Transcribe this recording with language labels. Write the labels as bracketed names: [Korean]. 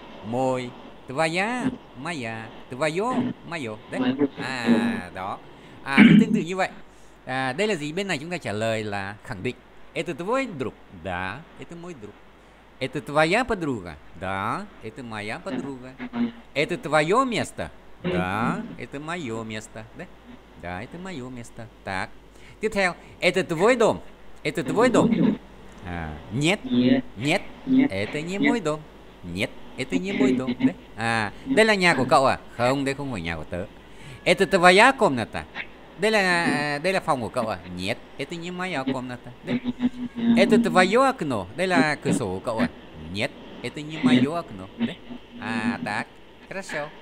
[Russian] мой твоя моя твое мое [Vietnamese] đấy à, đó à, tương tự như vậy à, đây là gì, bên này chúng ta trả lời là khẳng định, [Russian] это твой друг да это мой друг, это твоя подруга да это моя подруга, это твое место да это мое место đấy, да это мое место. Так [Vietnamese] tiếp theo, [Russian] это твой дом à, нет нет это не мой дом, нет это не мой дом đấy. [Vietnamese] À, đây là nhà của cậu à? Không, đây không phải nhà của tớ. [Russian] Это твоя комната. [Vietnamese] Đây là phòng của cậu à? [Russian] Нет, это не моя комната. [Vietnamese] Đấy. [Russian] Это твое окно. [Vietnamese] Đây là cửa sổ của cậu à? [Russian] Нет, это не мое окно. [Vietnamese] Đấy. À, так. Хорошо.